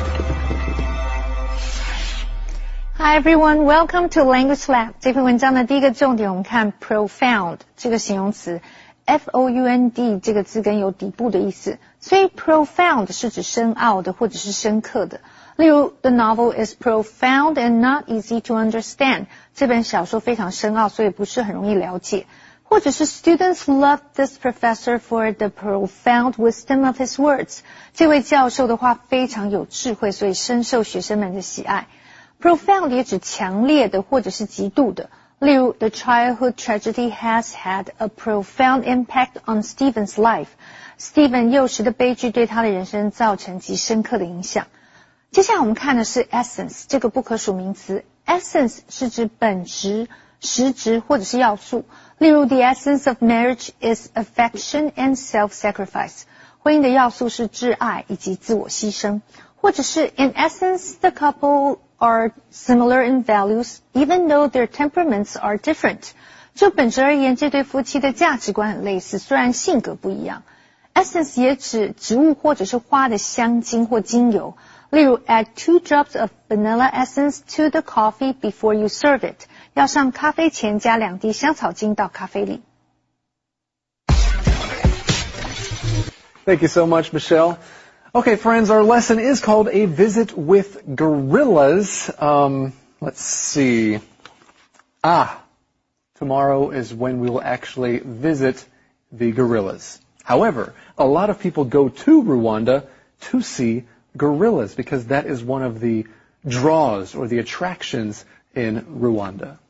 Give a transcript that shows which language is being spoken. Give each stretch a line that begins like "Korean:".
English: Hi everyone, welcome to Language Lab.
Chinese: 这篇文章的第一个重点我们看 profound 这个形容词 F-O-U-N-D 这个字根有底部的意思，所以 profound 是指深奥的或者是深刻的。
English: 例如 The novel is profound and not easy to understand.
Chinese: 这本小说非常深奥，所以不是很容易了解。
English: 或者是 Students love this professor for the profound wisdom of his words.
Chinese: 这位教授的话非常有智慧，所以深受学生们的喜爱。
English: Profound
Chinese: 也指强烈的或者是极度的。
English: 例如 The childhood tragedy has had a profound impact on Stephen's life.
Chinese: Stephen 幼时的悲剧对他的人生造成极深刻的影响。接下来我们看的是 essence, 这个不可数名词。Essence 是指本质、实质或者是要素。
English: 例如 The essence of marriage is affection and self-sacrifice.
Chinese: 婚姻的要素是挚爱以及自我牺牲。
English: 或者是 In essence, the couple... are similar in values, even though their temperaments are different.
Chinese: 就本质而言，这对夫妻的价值观很类似，虽然性格不一样。 Essence 也指植物或者是花的香精或精油。
English: 例如 add 2 drops of vanilla essence to the coffee before you serve it.
Chinese: 要上咖啡前加两滴香草精到咖啡里。
English: Thank you so much, Michelle. Okay, friends, our lesson is called A Visit with Gorillas. Let's see. Tomorrow is when we will actually visit the gorillas. However, a lot of people go to Rwanda to see gorillas because that is one of the draws or the attractions in Rwanda.